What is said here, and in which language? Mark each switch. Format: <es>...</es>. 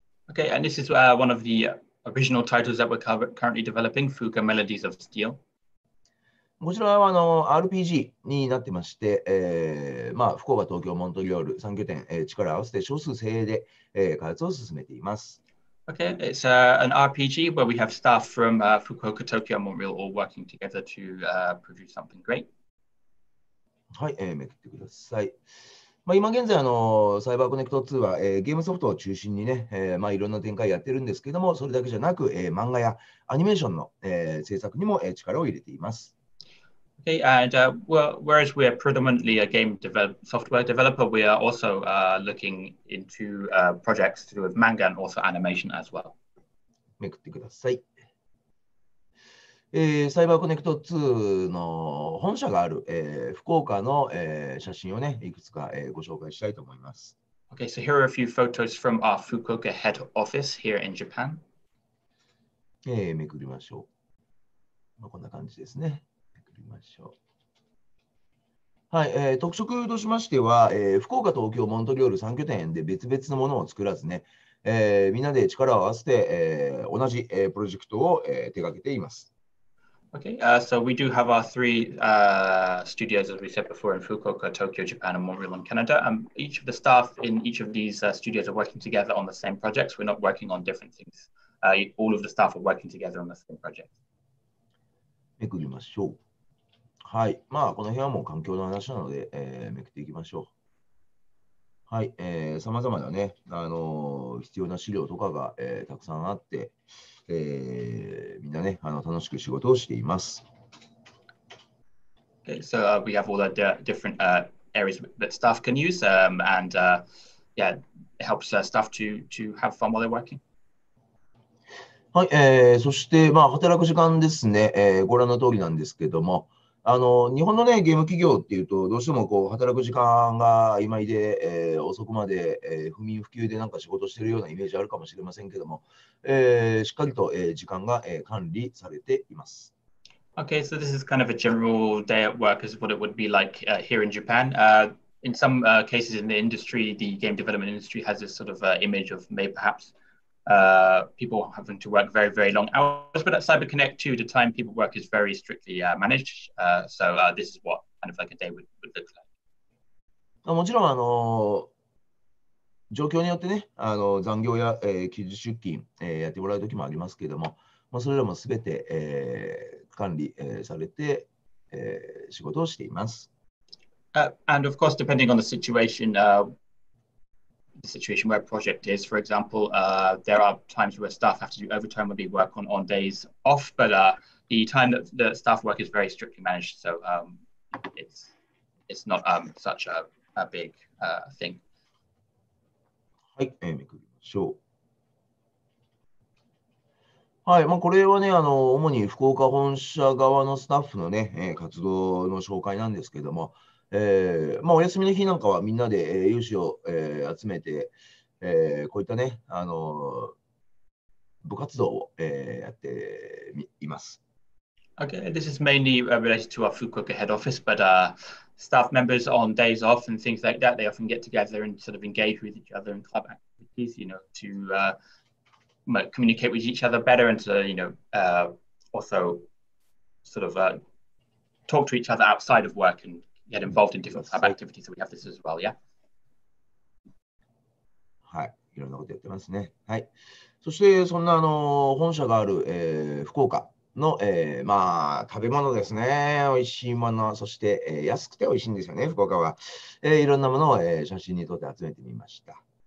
<en>Okay, and this is one of the original titles that we're currently developing, Fuga Melodies of Steel.</en> <ja>こちらは RPG になってまして、まあ、福岡、東京、モントリオール3拠点、力を合わせて少数精鋭で、開発を進めています。</ja> <en>Okay, it's an RPG where we have staff from Fukuoka, Tokyo, and Montreal all working together to produce something great.</en> <ja>はい、めくってください。まあ、今現在、サイバーコネクト2は、ゲームソフトを中心にね、まあ、いろんな展開やってるんですけども、それだけじゃなく、漫画やアニメーションの、制作にも、力を入れています。</ja> <en>Okay, and whereas we are predominantly a game develop software developer, we are also looking into projects to do with manga and also animation as well.</en> <ja>めくってください。サイバーコネクト2の本社がある、福岡の、写真をね、いくつか、ご紹介したいと思います。</ja> <en>Okay, so here are a few photos from our Fukuoka head office here in Japan.</en> <ja>めくりましょう。まあ、こんな感じですね。めくりましょう。はい、特色としましては、福岡、東京、モントリオール3拠点で別々のものを作らずね、みんなで力を合わせて、同じ、プロジェクトを、手掛けています。</ja> <en>Okay, so we do have our three studios, as we said before, in Fukuoka, Tokyo, Japan, and Montreal, in Canada. And each of the staff in each of these studios are working together on the same projects. We're not working on different things. All of the staff are working together on the same project.</en> <ja>めくりましょう。はい。まあ、この辺はもう環境の話なので、めくっていきましょう。はい。さまざまなね、必要な資料とかが、たくさんあって、みんなね、楽しく仕事をしています。</ja> <en>Okay, so we have all the different areas that staff can use, and yeah, it helps staff to have fun while they're working.</en> <ja>はい、そして、まあ、働く時間ですね、ご覧の通りなんですけども、日本のね、ゲーム企業っていうと、どうしてもこう働く時間が曖昧で、遅くまで、不眠不休でなんか仕事してるようなイメージあるかもしれませんけども、しっかりと、時間が、管理されています。</ja> <en>Okay, so this is kind of a general day at work, is what it would be like here in Japan. In some cases in the industry, the game development industry has this sort of image of maybe perhaps people having to work very, very long hours. But at CyberConnect, too, the time people work is very strictly managed. So this is what kind of like a day would look like.</en> <ja>もちろん、状況によってね、残業や、休日出勤、やってもらうときもありますけれども、まあ、それらもすべて、管理、されて、仕事をしています。</ja> <en>And of course, depending on the situation where a project is, for example, there are times where staff have to do overtime when they work on days off, but the time that the staff work is very strictly managed, so it's not such a big thing.</en> <ja>はい、めくりましょう。はい、まあ、これはね、主に福岡本社側のスタッフのね、活動の紹介なんですけども、まあ、お休みの日なんかはみんなで、有志を、集めて、こういったね、部活動を、やっています。</ja> <en>Okay, this is mainly related to our Fukuoka head office, but staff members on days off and things like that, they often get together and sort of engage with each other in club activities, you know, to communicate with each other better and to, you know, also sort of talk to each other outside of work and get involved in different club activities. So we have this as well, yeah?</en> <ja>はい、いろんなことやってますね。はい。そしてそんな本社がある、福岡。の、まあ、食べ物ですね。おいしいもの、そして、安くておいしいんですよね、福岡は。いろんなものを、写真に撮って集めてみました。</ja>